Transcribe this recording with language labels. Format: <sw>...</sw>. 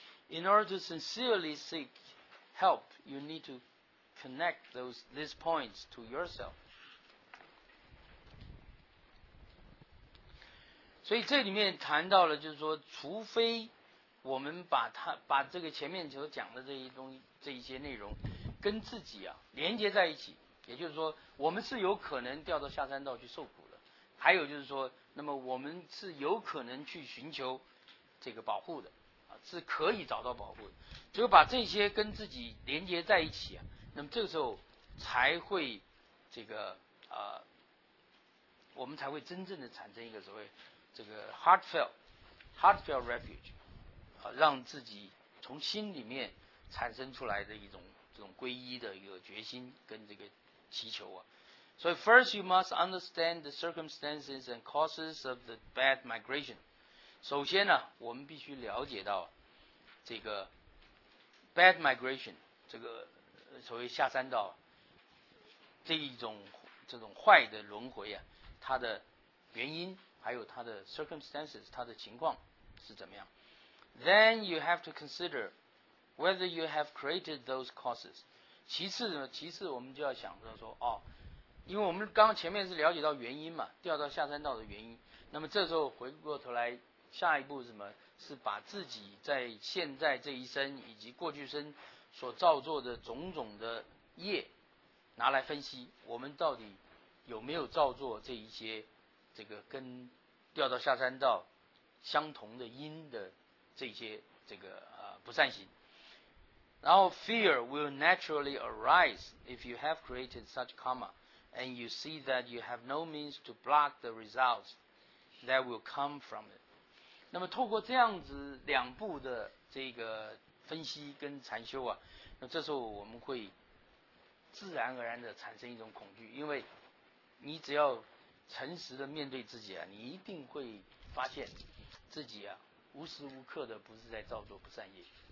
<en>In order to sincerely seek help, you need to connect these points to yourself.</en> <zh>所以这里面谈到了，就是说，除非我们把这个前面所讲的这些东西、这一些内容，跟自己啊连接在一起，也就是说，我们是有可能掉到下三道去受苦的。还有就是说，那么我们是有可能去寻求这个保护的啊，是可以找到保护的。只有把这些跟自己连接在一起啊，那么这个时候才会这个我们才会真正的产生一个所谓这个</zh> <en>heartfelt refuge</en> <zh>啊，让自己从心里面产生出来的一种这种皈依的一个决心跟这个祈求啊。</zh> <en>So first you must understand the circumstances and causes of the bad migration.</en> <zh>首先呢，我们必须了解到这个</zh> <en>bad migration，</en> <zh>这个所谓下三道这种坏的轮回啊，它的原因还有它的 circumstances， 它的情况是怎么样。</zh> <en>Then you have to consider whether you have created those causes.</en> <zh>其次我们就要想到说哦，因为我们刚前面是了解到原因嘛，掉到下三道的原因，那么这时候回过头来下一步是什么，是把自己在现在这一生以及过去生所造作的种种的业拿来分析，我们到底有没有造作这一些这个跟掉到下三道相同的因的这些这个不善行。然后</zh> <en>fear will naturally arise if you have created such karma and you see that you have no means to block the results that will come from it.</en> <zh>那么透过这样子两步的这个分析跟禅修啊，那这时候我们会自然而然的产生一种恐惧，因为你只要诚实的面对自己啊，你一定会发现自己啊无时无刻的不是在造作不善业。</zh>